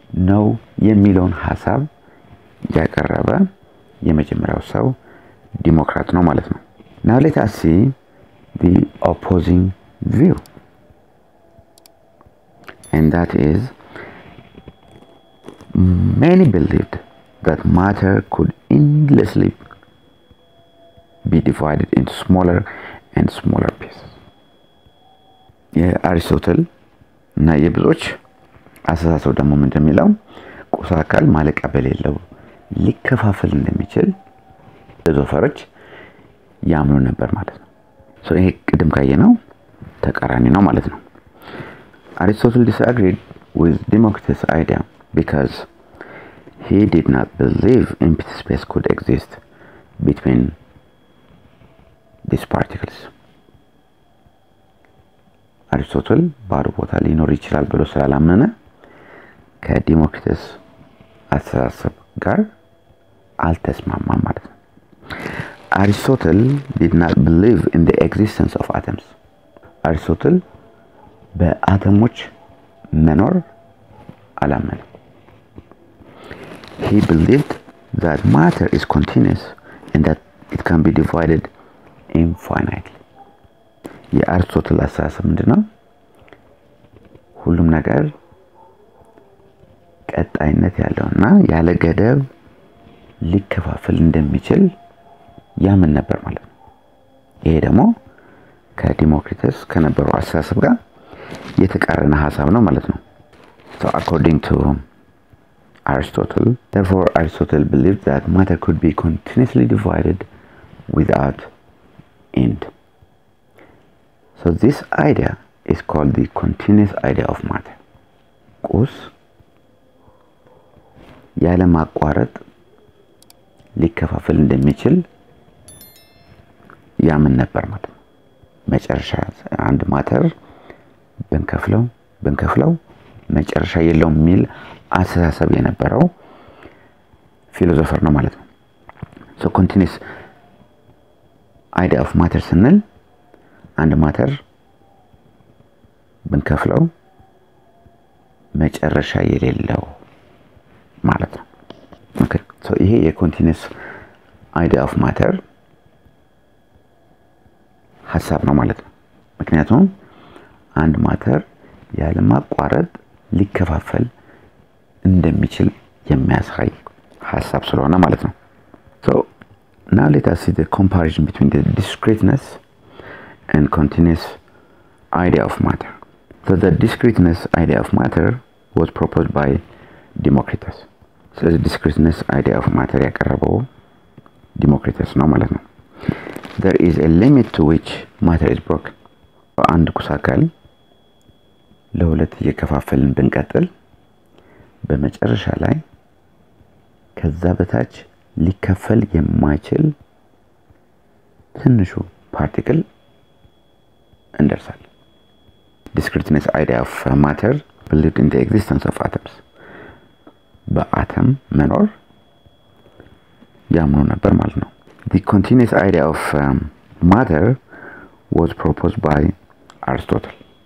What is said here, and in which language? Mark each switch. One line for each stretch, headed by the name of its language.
Amharic: ነው የሚለውን ሐሳብ ያቀረበ የመጀመሪያው ሰው ዲሞክራት ነው ማለት ነው።
English: Now let us see the opposing view. And that is, many believed that matter could endlessly be divided into smaller and smaller pieces.
Amharic: የአሪስቶትል እና የብዙዎች አስተሳሰብ ደግሞ እንደሚለው ቁስ አካል ማለቂያ በሌለው ሊከፋፈል እንደሚችል ዘፈሮች ያምኑ ነበር ማለት ነው። ሶ ይሄ ቅድም ካየነው ተቃራኒ ነው ማለት ነው።
English: Aristotle disagreed with Democritus' idea because he did not believe empty space could exist between these particles.
Amharic: Aristotle ባሩ ቦታ ሊኖር ይችላል ብሎ ስላላመነ ከDemocritus አስተሳሰብ ጋር አልተስማማም ማለት ነው።
English: Aristotle did not believe in the existence of atoms. Aristotle
Amharic: በአተሞች መኖር አላመነ።
English: He believed that matter is continuous and that it can be divided infinitely.
Amharic: የአርስቶትል አስተሳሰብ ምንድነው? ሁሉም ነገር ቀጣይነት ያለውና ያለ ገደብ ሊከፋፈል እንደሚችል ያምን ነበር ማለት ነው። ይሄ ደግሞ ከዲሞክሪተስ ከነበረው አስተሳሰብ ጋር የተቃረነ ሐሳብ ነው ማለት ነው።
English: So according to Aristotle, therefore Aristotle believed that matter could be continuously divided without end. So this idea is called the continuous idea of matter.
Amharic: ቁስ ያለ ማቋረጥ ሊከፋፈል እንደሚችል ያምን ነበር ማለት ነው። መጨረሻ አንድ ማተር በንከፍለው መጨረሻ የለውም የሚል አስተሳሰብ የነበረው ፊሎሶፈር ነው ማለት ነው።
English: So continuous idea of matter
Amharic: ስንል አንድ ማተር በንከፍለው መጨረሻ የሌለው ማለት ነው። Okay. So ይሄ የcontinuous idea of matter ሐሳብ ነው ማለት ነው። ምክንያቱም አንድ ማተር ያለ ማቋረጥ ሊከፋፈል እንደሚችል የሚያሳይ ሐሳብ ስለሆነ ማለት ነው።
English: So now let us see the comparison between the discreteness and continuous idea of matter. So the discreteness idea of matter was proposed by Democritus. So the discreteness idea of matter
Amharic: ያቀረበው Democritus ነው ማለት ነው።
English: There is a limit to which matter is broken.
Amharic: አንድ ቁስ አካል ለሁለት እየከፋፈልን ብንቀጥል በመጨረሻ ላይ ከዛ በታች ሊከፈል የማይችል ትንሹ ፓርቲክል እንደርሳል።
English: Discreteness idea of matter believed in the existence of atoms.
Amharic: በአተም መኖር ያምኑ ነበር ማለት ነው።
English: The continuous idea of matter was proposed by Aristotle.